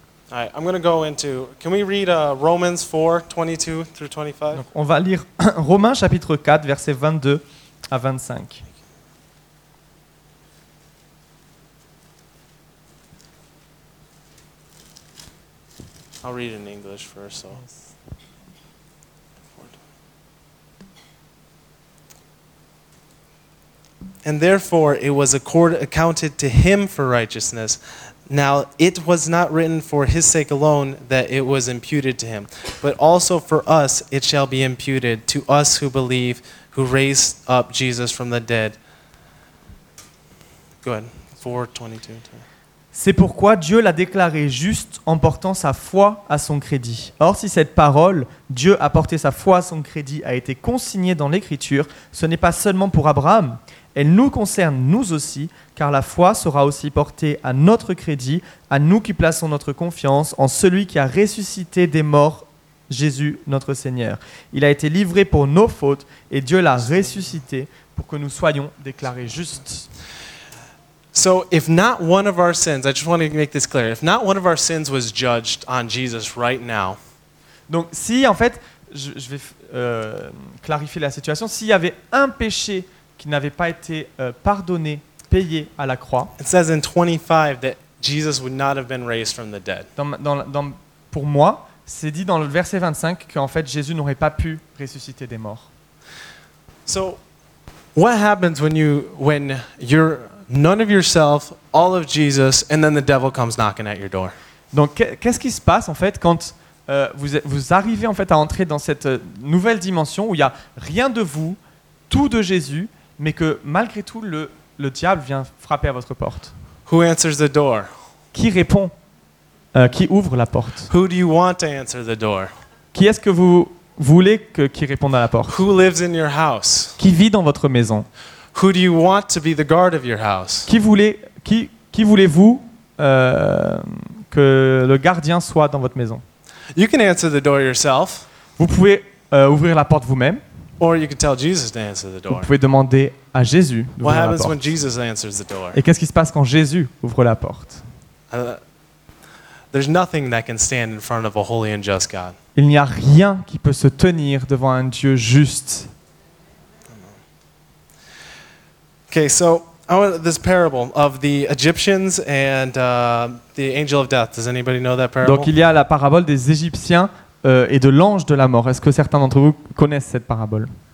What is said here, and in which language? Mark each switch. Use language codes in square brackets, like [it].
[en] All right, I'm going to go into. Can we read Romans 4, 22 through 25? [fr] Donc, on va lire Romains chapitre 4, versets 22 à 25. [en] Okay. I'll read in English first. So. Yes. And therefore it was accounted to him for righteousness. Now it was not written for his sake alone that it was imputed to him, but also for us it shall be imputed to us who believe, who raised up Jesus from the dead. Go ahead. 4:22. [fr] C'est pourquoi Dieu l'a déclaré juste en portant sa foi à son crédit. Or, si cette parole, Dieu a porté sa foi à son crédit, a été consignée dans l'Écriture, ce n'est pas seulement pour Abraham. Elle nous concerne, nous aussi, car la foi sera aussi portée à notre crédit, à nous qui plaçons notre confiance en celui qui a ressuscité des morts, Jésus, notre Seigneur. Il a été livré pour nos fautes et Dieu l'a ressuscité pour que nous soyons déclarés justes. [en] So if not one of our sins, I just want to make this clear, if not one of our sins was judged on Jesus right now. [fr] Donc si en fait, je vais clarifier la situation, s'il y avait un péché qui n'avait pas été pardonné, payé à la croix. [en] It says in 25 that Jesus would not have been raised from the dead. [fr] Dans pour moi, c'est dit dans le verset 25 que en fait Jésus n'aurait pas pu ressusciter des morts. [en] So what happens when you're none of yourself, all of Jesus, and then the devil comes knocking at your door. [fr] Donc, qu'est-ce qui se passe en fait quand vous arrivez en fait à entrer dans cette nouvelle dimension où il y a rien de vous, tout de Jésus, mais que malgré tout le diable vient frapper à votre porte. [en] Who answers the door? [fr] Qui répond? Qui ouvre la porte? [en] Who do you want to answer the door? [fr] Qui est-ce que vous voulez que qui réponde à la porte? [en] Who lives in your house? [fr] Qui vit dans votre maison? [en] Who do you want to be the guard of your house? [fr] Qui voulez-vous que le gardien soit dans votre maison? [en] You can answer the door yourself. [fr] Vous pouvez ouvrir la porte vous-même. [en] Or you can tell Jesus to answer the door. [fr] Vous pouvez demander à Jésus d'ouvrir la porte. [en] What happens when Jesus answers the door? [fr] Et qu'est-ce qui se passe quand Jésus ouvre la porte? [en] There's nothing that can stand in front of a holy and just God. [fr] Il n'y a rien qui peut se tenir devant un Dieu juste. [en] Okay, so I want this parable of the Egyptians and the angel of death. Does anybody know that parable? [fr] Donc il y a la parabole des Égyptiens et de l'ange de la mort. Est-ce que certains d'entre vous connaissent cette parabole?